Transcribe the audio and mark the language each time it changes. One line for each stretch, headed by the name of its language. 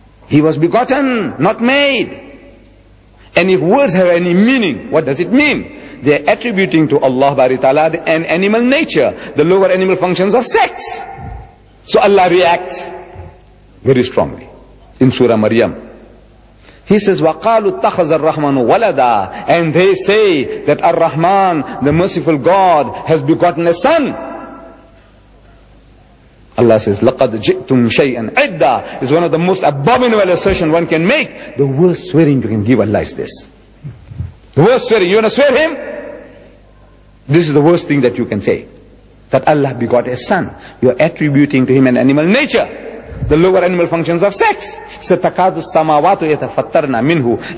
English: He was begotten, not made. And if words have any meaning, what does it mean? They're attributing to Allah bari ta'ala an animal nature, the lower animal functions of sex. So Allah reacts very strongly in Surah Maryam. He says,
Arabic: وَقَالُوا اتَّخَذَ الرَّحْمَنُ وَلَدًا.
English: And they say that Ar-Rahman, the merciful God, has begotten a son. Allah says,
Arabic: لَقَدْ جِئْتُمْ شَيْئًا عِدًّا.
English: It's one of the most abominable assertions one can make. The worst swearing you can give Allah is this. The worst swearing. You want to swear him? This is the worst thing that you can say. That Allah begot a son. You are attributing to him an animal nature. The lower animal functions of sex.
Arabic: سَتَكَادُ السَّمَاوَاتُ يَتَفَتَّرْنَا مِنْهُ.